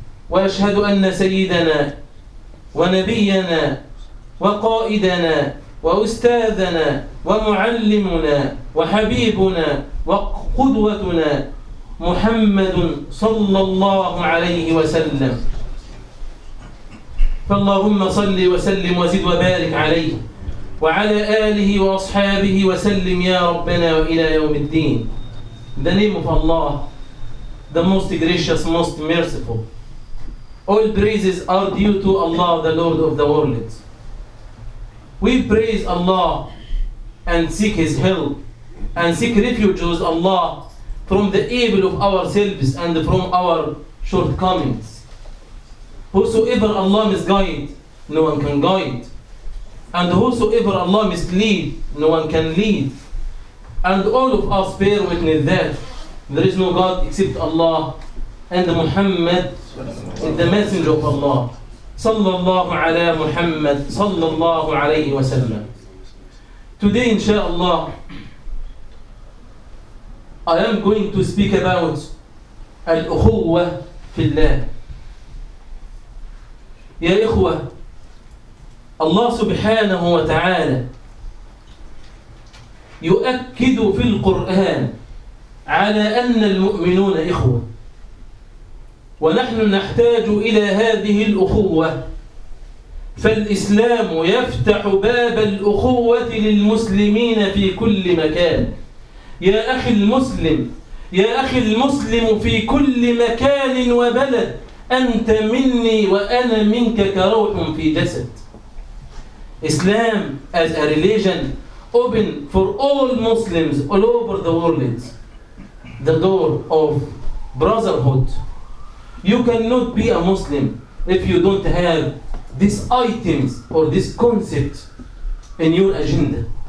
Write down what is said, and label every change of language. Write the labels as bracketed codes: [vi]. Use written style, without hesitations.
[ar] وأشهد أن سيدنا ونبينا وقائدنا وأستاذنا ومعلمنا وحبيبنا وقدوتنا محمد صلى الله عليه وسلم فاللهم صل وسلم وزد وبارك عليه وعلى آله وأصحابه وسلم يا ربنا وإلى يوم الدين. [en] In the name of Allah, the most gracious, most merciful. All praises are due to Allah, the Lord of the world. We praise Allah and seek His help and seek refuge with Allah from the evil of ourselves and from our shortcomings. Whosoever Allah misguide, no one can guide. And whosoever Allah mislead, no one can lead. And all of us bear witness that there is no God except Allah and Muhammad is the messenger of Allah. [ar] Sallallahu ala Muhammad, sallallahu alayhi wa sallam. [en] Today, inshaAllah, I am going to speak about al-ukhuwah fi Allah. [ar] Ya ikhwah, Allah subhanahu wa ta'ala يؤكد في القرآن على أن المؤمنون إخوة ونحن نحتاج إلى هذه الأخوة فالإسلام يفتح باب الأخوة للمسلمين في كل مكان يا أخي المسلم يا أخي المسلم في كل مكان وبلد، أنت مني وأنا منك كروح في جسد. [en] إسلام as a religion open for all Muslims all over the world. The door of brotherhood. You cannot be a Muslim if you don't have these items or this concept in your agenda.